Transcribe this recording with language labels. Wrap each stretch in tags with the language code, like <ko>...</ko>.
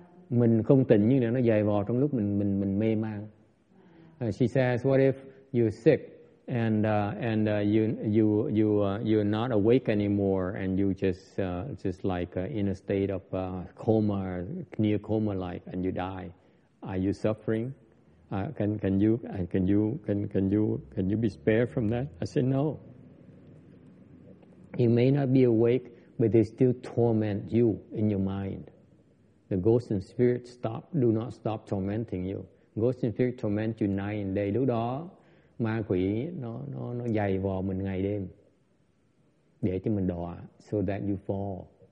<vi>Mình không tỉnh như nữa, nó dày vò trong lúc mình mê man.</vi> <en>She says, what if you're sick and you're not awake anymore and you just like in a state of coma, near coma like, and you die? Are you suffering? Can you be spared from that? I said, no. He may not be awake, but they still torment you in your mind. The ghost and spirit do not stop tormenting you. Ghost and spirit torment you night and day.</en> <vi>Lúc đó, ma quỷ nó dày vò mình ngày đêm để cho mình đọa,</vi> <en>so that you fall.</en>